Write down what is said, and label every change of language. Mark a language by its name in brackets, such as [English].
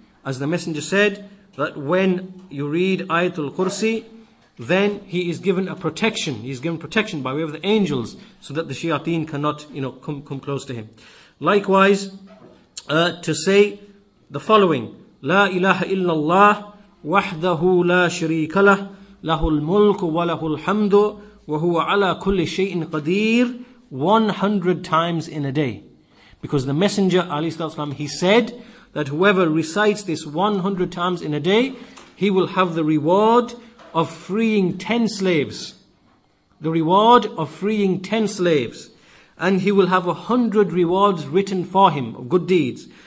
[English] As the messenger said, that when you read Ayatul Kursi, then he is given a protection. He is given protection by way of the angels, so that the shayateen cannot, you know, come close to him. Likewise, to say the following: La ilaha illallah, [Arabic] وحده لا شريك له له الملك وله الحمد وهو على كل شيء قدير [English] 100 times in a day. Because the Messenger, alayhi salatu wasalam, he said that whoever recites this 100 times in a day, he will have the reward of freeing 10 slaves. The reward of freeing 10 slaves. And he will have 100 rewards written for him of good deeds.